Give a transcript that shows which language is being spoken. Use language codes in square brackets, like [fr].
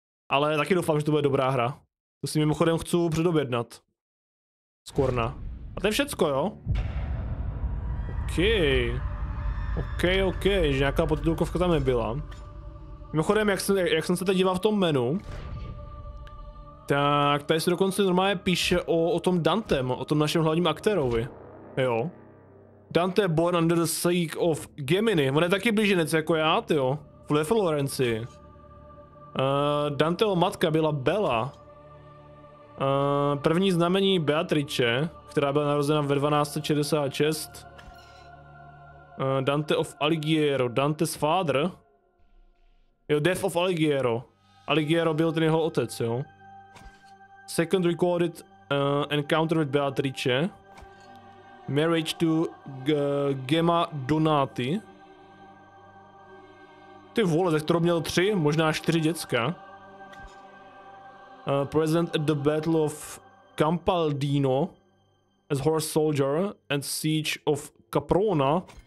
[cs] Ale taky doufám, že to bude dobrá hra. To si mimochodem chci předobjednat. Scorna. A to je všecko, jo? Okej. Okej, okej, že nějaká podtitulkovka tam nebyla. Mimochodem, jak jsem se teď díval v tom menu, tak tady se dokonce normálně píše o tom Dantem, o tom našem hlavním aktérovi. Jo. [en] Dante born under the sea of Gemini. [cs] On je taky blíženec jako já, tyjo. Ve Florenci. Danteho matka byla Bella. První znamení Beatrice, která byla narozena ve 1266. [en] Dante of Alighiero. Dante's father. Jo, death of Alighiero. [cs] Alighiero byl ten jeho otec, jo. [en] Second recorded encounter with Beatrice. Marriage to Gemma Donati. [cs] Ty vole, ze kterou měl 3, možná 4 děcka. [en] Present at the Battle of Campaldino as horse soldier and siege of Caprona.